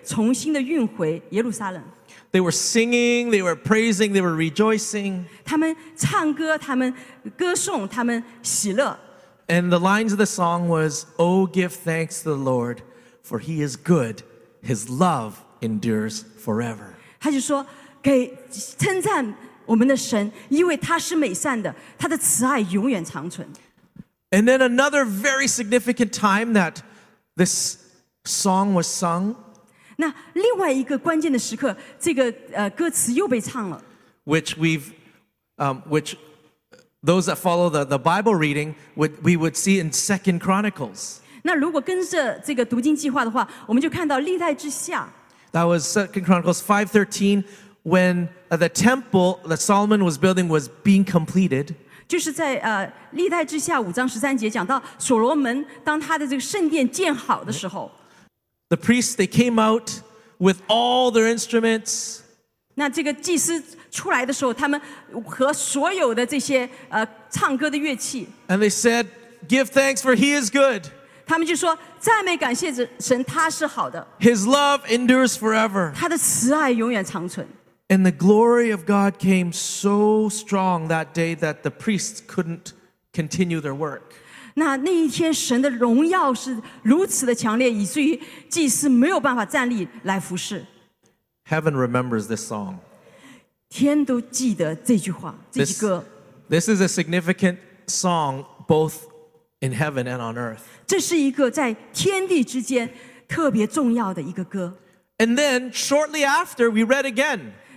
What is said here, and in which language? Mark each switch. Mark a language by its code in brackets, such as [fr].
[zh] 那就是大卫王把那个约柜重新的运回耶路撒冷。 [en] They were singing, they were praising, they were rejoicing. [zh] 他们唱歌，他们歌颂，他们喜乐。 [en] And the lines of the song was, "Oh, give thanks to the Lord, for He is good; His love endures forever." [zh] 他就说，给称赞我们的神，因为他是美善的，他的慈爱永远长存。 [en] And then another very significant time that this song was sung. [zh] 那另外一个关键的时刻，这个歌词又被唱了。 [en] Which those that follow the Bible reading we would see in 2 Chronicles. [zh] 那如果跟着这个读经计划的话，我们就看到历代之下。 [en] That was 2 Chronicles 5:13, when the temple that Solomon was building was being completed. [zh] 就是在历代志下5:13节讲到所罗门当他的这个圣殿建好的时候。 [en] The priests, they came out with all their instruments. [zh] 那这个祭司出来的时候，他们和所有的这些 唱歌的乐器。 [en] And they said, "Give thanks, for He is good." [zh] 他们就说，赞美感谢神，他是好的。 [en] His love endures forever. [zh] 他的慈爱永远长存。 [en] And the glory of God came so strong that day that the priests couldn't continue their work. [zh] 那一天神的荣耀是如此的强烈，以至于祭司没有办法站立来服侍。 [en] Heaven remembers this song. [zh] 天都记得这句话，这句歌。 [en] This is a significant song both in heaven and on earth. [zh] 这是一个在天地之间特别重要的一个歌。 [en] And then shortly after, we read again.